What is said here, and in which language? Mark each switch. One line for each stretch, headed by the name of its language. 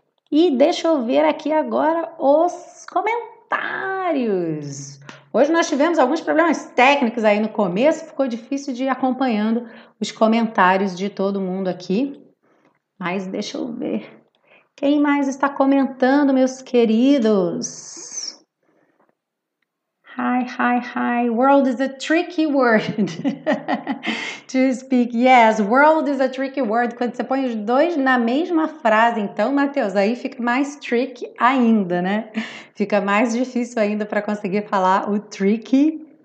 Portuguese: E deixa eu ver aqui agora os comentários. Hoje nós tivemos alguns problemas técnicos aí no começo, ficou difícil de ir acompanhando os comentários de todo mundo aqui. Mas deixa eu ver quem mais está comentando, meus queridos.
English: Hi, hi, hi. World is a tricky word to speak. Yes, world is a tricky word.
Portuguese: Quando você põe os dois na mesma frase, então, Matheus, aí fica mais tricky ainda, né? Fica mais difícil ainda para conseguir falar o tricky.